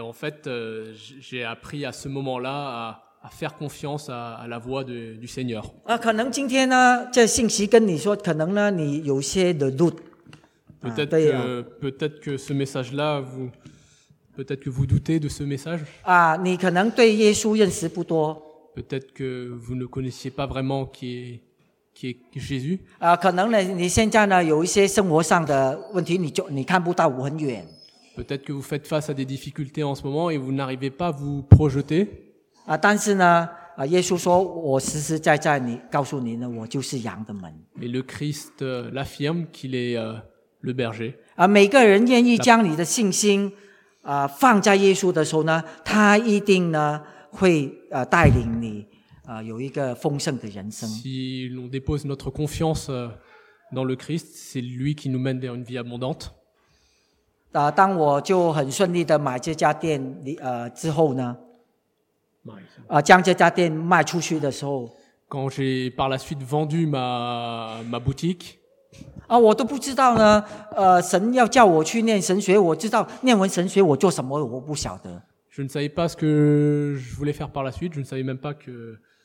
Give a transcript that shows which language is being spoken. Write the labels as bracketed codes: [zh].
[fr] en fait, j'ai appris à ce moment-là à faire confiance à la voix du Seigneur. Peut-être que ce message-là vous. Peut-être que vous doutez de ce message. [zh] Ah, 你可能对耶稣认识不多。 [fr] Peut-être que vous ne connaissiez pas vraiment qui est Jésus. [zh] Ah, 可能呢，你现在呢有一些生活上的问题，你看不到很远。 [fr] Peut-être que vous faites face à des difficultés en ce moment et vous n'arrivez pas à vous projeter. [zh] Ah, 但是呢，耶稣说我实实在在你告诉你呢，我就是羊的门。 [fr] Et le Christ l'affirme qu'il est le berger. [zh] 每个人愿意将你的信心放在耶稣的时候呢，他一定呢会带领你有一个丰盛的人生。 [fr] Si l'on dépose notre confiance dans le Christ, c'est lui qui nous mène vers une vie abondante. [zh] 当我就很顺利的买这家店之后呢，将这家店卖出去的时候， [fr] quand j'ai par la suite vendu ma boutique, [zh] 我都不知道呢，神要叫我去念神学，我知道念完神学我做什么，我不晓得。 [fr] Je ne savais pas ce que je voulais faire par la suite. Je ne savais même pas que.